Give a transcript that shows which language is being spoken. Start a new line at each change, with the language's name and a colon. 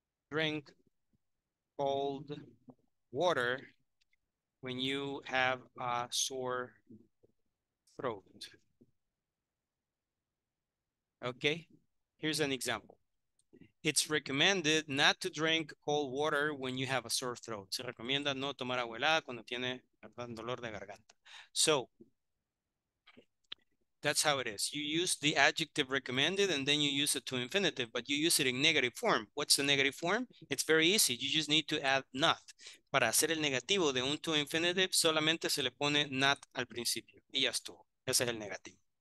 English: drink cold water when you have a sore throat. Okay, here's an example. It's recommended not to drink cold water when you have a sore throat.
Spanish: Se recomienda no tomar agua helada cuando tiene dolor de garganta.
English: So, that's how it is. You use the adjective recommended and then you use it to infinitive, but you use it in negative form. What's the negative form? It's very easy. You just need to add not.
Spanish: Para hacer el negativo de un to infinitive, solamente se le pone not al principio. Y ya estuvo. Ese es el negativo.